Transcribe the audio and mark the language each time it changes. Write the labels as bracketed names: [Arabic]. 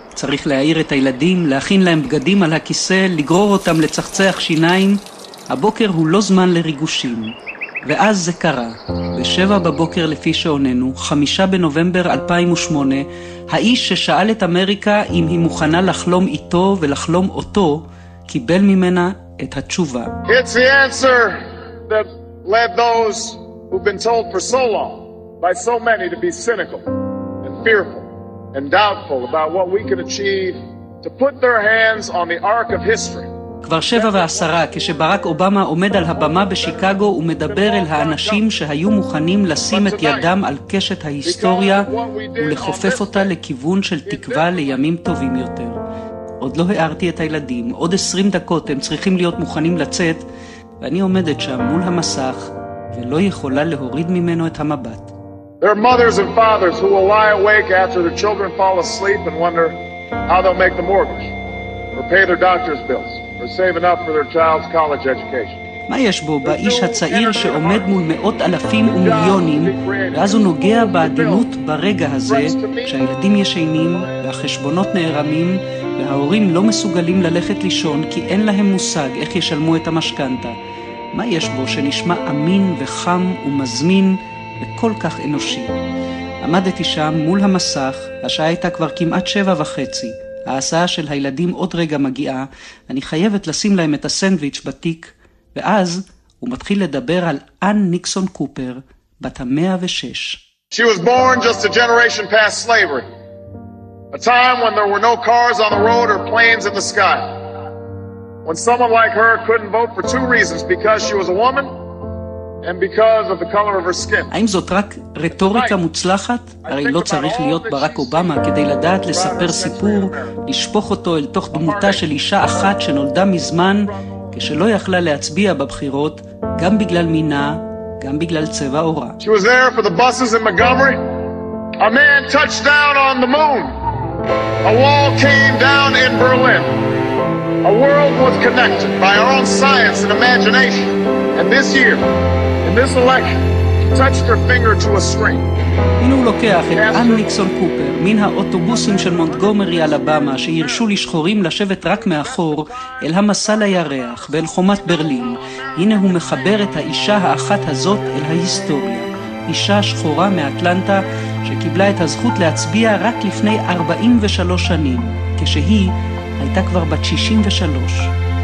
[Hebrew] צריך להעיר את הילדים, להכין להם בגדים על הכיסא, לגרור אותם לצחצח שיניים. הבוקר הוא לא זמן לריגושים. ואז זה קרה. ב7 בבוקר, לפי שעוננו, 5 בנובמבר 2008, האיש ששאל את אמריקה אם היא מוכנה לחלום איתו ולחלום אותו, קיבל ממנה את התשובה. [English] It's the answer that led those who've been told for so long by so many to be cynical and fearful and doubtful about what we can achieve to put their hands on the arc of history. [Hebrew] כבר 7:10, כשברק אובמה עומד על הבמה בשיקגו ומדבר אל האנשים שהיו מוכנים לשים את ידם על קשת ההיסטוריה ולחופף אותה לכיוון של תקווה לימים טובים יותר. עוד לא הערתי את הילדים, עוד 20 דקות הם צריכים להיות מוכנים לצאת, ואני עומדת שם מול המסך ולא יכולה להוריד ממנו את המבט. [English] There are mothers and fathers who will lie awake after their children fall asleep and wonder how they'll make the mortgage or pay their doctor's bills. Or save enough for their child's college education. [Hebrew] מה יש בו באיש הצעיר שעומד מול מאות אלפים ומיליונים, ואז הוא נוגע בעדינות ברגע הזה, כשהילדים ישנים והחשבונות נערמים, וההורים לא מסוגלים ללכת לישון כי אין להם מושג איך ישלמו את המשכנתא. מה יש בו שנשמע אמין וחם ומזמין וכל כך אנושי? עמדתי שם מול המסך, השעה הייתה כבר כמעט 7:30. ההסעה של הילדים עוד רגע מגיעה, אני חייבת לשים להם את הסנדוויץ' בתיק, ואז הוא מתחיל לדבר על אן ניקסון קופר, בת 106. [English] She was born just a generation past slavery. A time when there were no cars on the road or planes in the sky. When someone like her couldn't vote for 2 reasons, because she was a woman and because of the color of her skin. [Hebrew] האם זאת רק רטוריקה מוצלחת? הרי לא צריך להיות ברק אובמה כדי לדעת לספר סיפור, לשפוך אותו אל תוך דמותה של אישה אחת שנולדה מזמן, כשלא יכלה להצביע בבחירות, גם בגלל מינה, גם בגלל צבע עורה. [English] She was there for the buses in Montgomery. A man touched down on the moon. A wall came down in Berlin. A world was connected by our own science and imagination. And this year, in this election, touched her finger to a screen. [Hebrew] הנה הוא לוקח את אן ניקסון קופר, מן האוטובוסים של מונטגומרי אלבמה, שהרשו לשחורים לשבת רק מאחור, אל המסע לירח, ואל חומת ברלין. הנה הוא מחבר את האישה האחת הזאת אל ההיסטוריה. אישה שחורה מאטלנטה, שקיבלה את הזכות להצביע רק לפני 43 שנים, כשהיא הייתה כבר בת 63.